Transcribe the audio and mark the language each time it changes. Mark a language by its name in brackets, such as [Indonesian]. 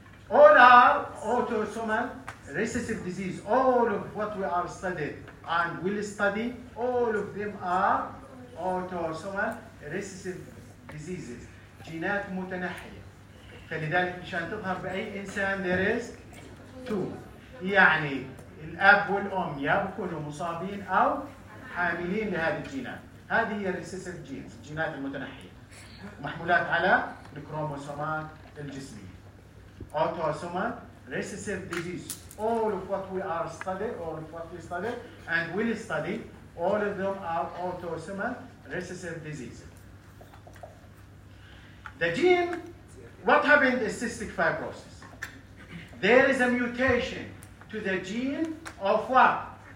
[English] All are autosomal recessive disease. All of what we are studied and will study, all of them are autosomal recessive diseases. [Arabic] جينات متنحية. فلذلك مشان تظهر بأي إنسان [English] there is two. [Arabic] يعني الأب والأم يكونوا مصابين أو حاملين لهذه الجينات. هذه هي الريسيسيف جينز، الجينات المتنحية. محمولات على الكروموسومات الجسمية. أوتوسومات [English] recessive disease. All of what we are studying, and will study, all of them are autosomal recessive disease. The gene, what happened is cystic fibrosis. There is a mutation to the gene of what?